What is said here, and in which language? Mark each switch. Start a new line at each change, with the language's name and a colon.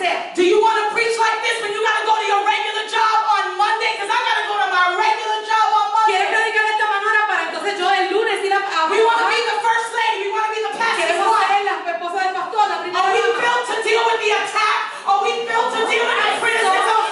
English: Do you want to preach like this when you got to go to your regular job on Monday? Because I got to go to my regular job on Monday.
Spanish: ¿Quieres predicar de esta manera para entonces yo el lunes ir a trabajar?
English: We want to be the first lady. We want to be the pastor.
Spanish: Queremos ser la esposa del pastor, la primera.
English: Are we built to deal with the attack? Are we built to deal with the criticism?